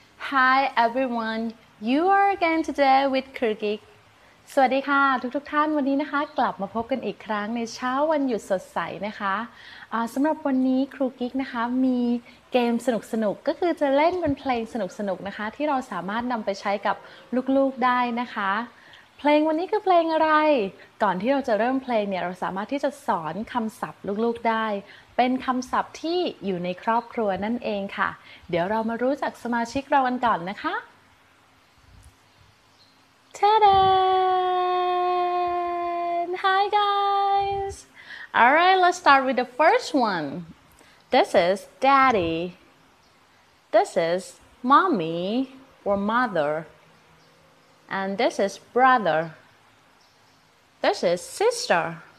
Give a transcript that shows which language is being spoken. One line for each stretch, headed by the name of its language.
English: Hi everyone, you are again today with Kru Kik.
Thai: สวัสดีค่ะทุกท่านวันนี้นะคะกลับมาพบกันอีกครั้งในเช้าวันหยุดสดใสนะคะสำหรับวันนี้ครูกิ๊กนะคะมีเกมสนุกๆก็คือจะเล่นเป็นเพลงสนุกๆนะคะที่เราสามารถนำไปใช้กับลูกๆได้นะคะเพลงวันนี้คือเพลงอะไร ก่อนที่เราจะเริ่มเพลงเนี่ยเราสามารถที่จะสอนคำศัพท์ลูกๆได้เป็นคำศัพท์ที่อยู่ในครอบครัวนั่นเองค่ะเดี๋ยวเรามารู้จักสมาชิกเรากันก่อนนะคะTadam!
English: Hi guys! Alright, let's start with the first one. This is daddy. This is mommy or mother. And this is brother. This is sister.